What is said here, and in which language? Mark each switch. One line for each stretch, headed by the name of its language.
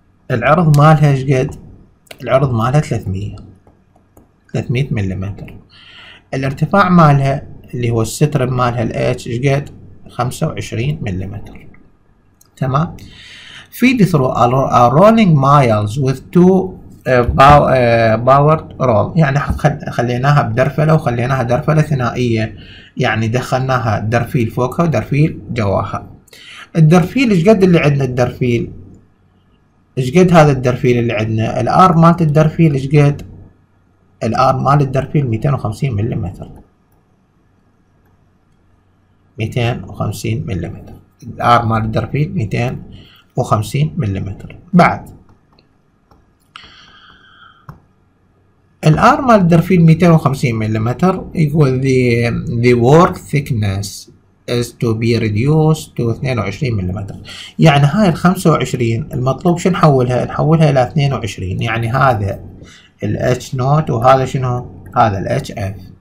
Arabic: العرض مالها ايش قد؟ العرض مالها 300 مليمتر. الارتفاع مالها اللي هو الستر مالها الاتش ايش قد؟ 25 مليمتر. تمام.
English: Feed through a rolling miles with two powered roll.
Arabic: يعني خليناها بدرفلة وخليناها درفلة ثنائية. يعني دخلناها درفيل فوقها ودرفيل جواها. الدرفيل إيش قد اللي عندنا الدرفيل؟ إيش قد هذا الدرفيل اللي عندنا؟ الآر مال الدرفيل إيش قد؟ الآر مال الدرفيل 250 مليمتر. 250 مليمتر. الآر مال الدرفيل 250 مليمتر. بعد الآر مال الدرفيل 250 مليمتر يقول
English: the work thickness is to be reduced to 22
Arabic: مليمتر. يعني هاي ال 25 المطلوب شو نحولها؟ نحولها إلى 22. يعني هذا ال H نوت وهذا شنو؟ هذا ال HF.